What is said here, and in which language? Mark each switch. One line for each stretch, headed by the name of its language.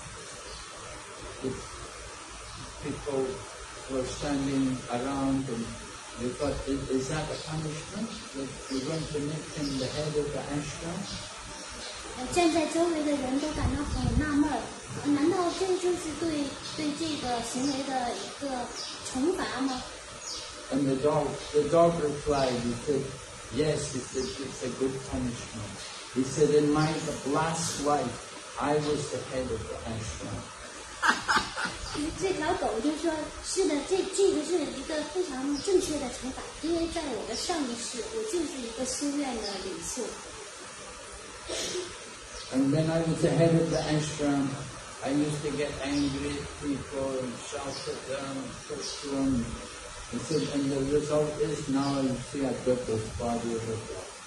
English: the people were standing around and they thought, is that a punishment that we want to make him the head of the ashram?
Chinese: 站在周围的人都感到很纳闷，难道这就是对这个行为的一个惩罚吗？
English: And the dog replied, he said, yes, he said, it's a good punishment. He said, in my last life, I was the head of the ashram.
Chinese: 这条狗就说，是的，这个是一个非常正确的惩罚，因为在我的上一世，我就是一个修院的领袖。
English: And when I was the head of the ashram, I used to get angry at people and shout at them and push them. And the result is now you see I've got this body of a dog.